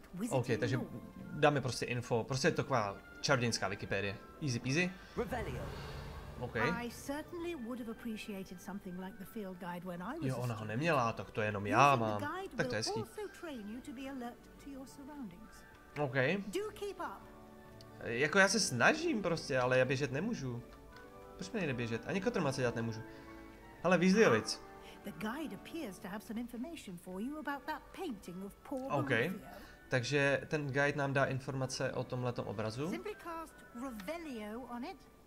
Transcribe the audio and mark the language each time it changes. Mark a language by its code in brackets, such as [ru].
[cs] OK, takže dáme prostě info, prostě je to taková čarodějnická Wikipedie. [en] Easy peasy. Okay. I certainly would have appreciated something like the field guide when I was. [cs] Jo, ona ho neměla, tak to jenom já mám. Tak to je hezký. [en] Also train you to be alert to your surroundings. Okay. Do keep up. [cs] Jako já se snažím prostě, ale já běžet nemůžu. Proč mi nejde běžet? Ani kotrma se dělat nemůžu. Hele, Weasleyovic. [en] The guide appears to have some information for you about that painting of poor Bolivia. Okay. [cs] Takže ten guide nám dá informace o tomhletom obrazu. [en] Simply cast Revelio on it.